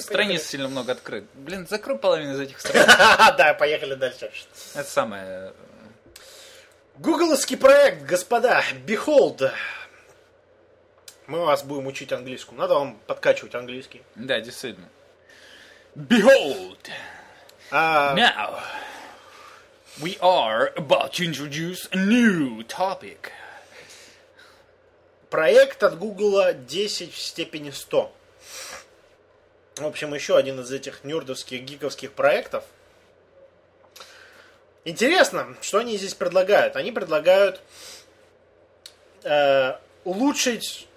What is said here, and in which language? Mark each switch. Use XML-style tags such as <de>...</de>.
<ru>Страниц сильно много открыт. Блин, закрой половину из этих страниц. Да, поехали дальше. Это самое... Гугловский проект, господа, Behold... Мы вас будем учить английскому. Надо вам подкачивать английский. Да, действительно. Behold!</ru> <en>Now, we are about to introduce a new topic.</en> <ru>Проект от Google 10 в степени 100. В общем, еще один из этих нердовских, гиковских проектов. Интересно, что они здесь предлагают. Они предлагают улучшить...</ru>